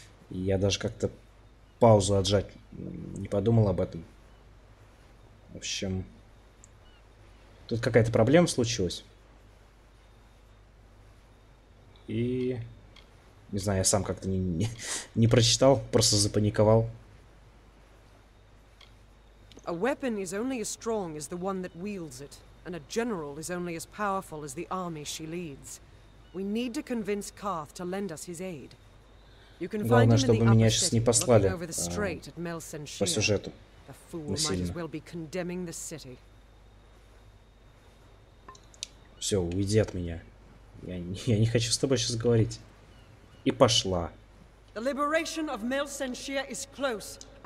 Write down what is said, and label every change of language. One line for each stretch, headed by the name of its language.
Russian: Я даже как-то паузу отжать не подумал об этом. В общем, тут какая-то проблема случилась. И... Не знаю, я сам как-то не прочитал, просто запаниковал.
English: A weapon is only as strong as the one that wields it, and a general is only as powerful as the army she leads. We need to convince Karth to lend us his aid. You can find him in the upper city, looking over the strait at Melsenshire.
Russian: По сюжету.
English: The fool might as well be condemning the city.
Russian: Все, уйди от меня. Я не хочу с тобой сейчас говорить. И пошла.
English: The liberation of Melsenshire is close.